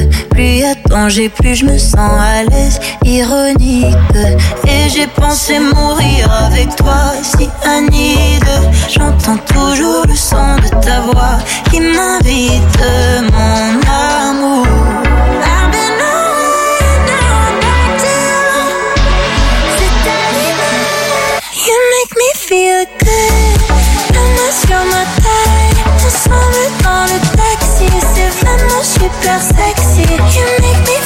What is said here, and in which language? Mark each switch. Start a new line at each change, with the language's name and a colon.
French: Plus y'a danger, plus je me sens à l'aise, ironique. Et j'ai pensé mourir avec toi, cyanide. J'entends toujours le son de ta voix qui m'invite, mon amour.
English: I've been on and now I'm back to you. You make me feel good.
French: La main sur ma taille, on s'en va dans le taxi. C'est vraiment super sexy.